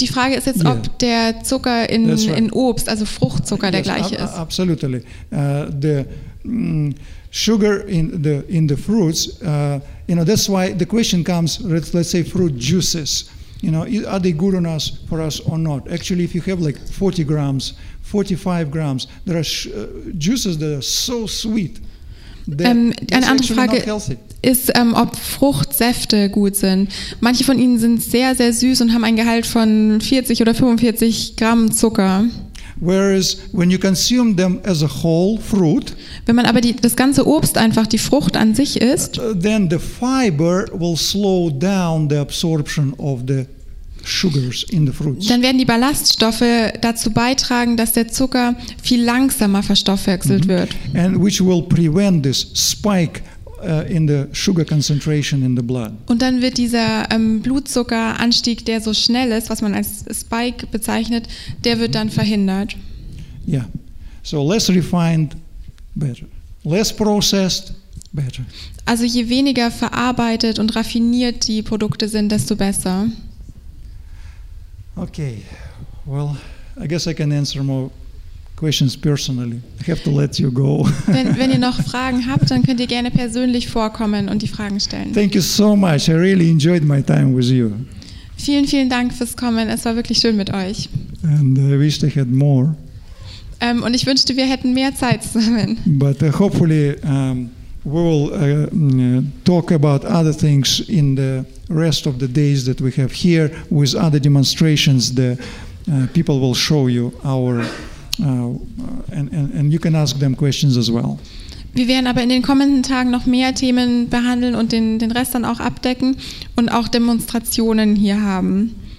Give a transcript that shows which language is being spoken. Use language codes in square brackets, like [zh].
[de] Die Frage ist jetzt, ob der Zucker in Obst, also Fruchtzucker, der gleiche ist. [en] Absolutely. The sugar in the fruits, you know, that's why the question comes, let's say fruit juices. You know, are they good on us, for us or not? Actually, if you have like 40 grams, 45 grams, there are juices that are so sweet. [de] Eine andere Frage ist, ob Fruchtsäfte gut sind. Manche von ihnen sind sehr, sehr süß und haben ein Gehalt von 40 oder 45 Gramm Zucker. [en] Whereas when you consume them as a whole fruit, [de] wenn man aber das ganze Obst einfach die Frucht an sich isst, [en] then the fiber will slow down the absorption of the sugars in the fruits. [de] Dann werden die Ballaststoffe dazu beitragen, dass der Zucker viel langsamer verstoffwechselt wird. [en] And which will prevent this spike in the sugar concentration in the blood. [de] Und dann wird dieser Blutzuckeranstieg, der so schnell ist, was man als Spike bezeichnet, der wird dann verhindert. [en] Yeah. So less refined, better. Less processed, better. [de] Also je weniger verarbeitet und raffiniert die Produkte sind, desto besser. [en] Okay. Well, I guess I can answer more questions personally. I have to let you go. [de] Wenn ihr noch Fragen habt, dann könnt ihr gerne persönlich vorkommen und die Fragen stellen. [en] Thank you so much. I really enjoyed my time with you. [de] Vielen, vielen Dank fürs Kommen. Es war wirklich schön mit euch. [en] And I wish I had more. [de] Und ich wünschte, wir hätten mehr Zeit zusammen. [en] But hopefully we will talk about other things in the rest of the days that we have here with other demonstrations. The people will show you our and you can ask them questions as well. [de] Wir werden aber in den kommenden Tagen noch mehr Themen behandeln und den Rest dann auch abdecken und auch Demonstrationen hier haben.